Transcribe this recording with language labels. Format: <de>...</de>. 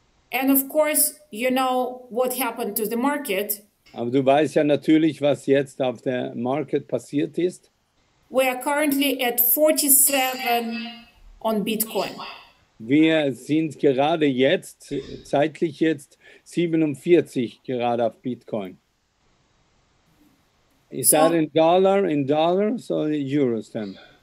<en>And of course, you know what happened to the market.</en> <de>Aber du weißt ja natürlich, was jetzt auf der Market passiert ist.</de> <en>We are currently at 47 on Bitcoin.</en> <de>Wir sind gerade jetzt, zeitlich jetzt, 47 gerade auf Bitcoin.</de> <en>Is so, that in dollars or euros then?</en>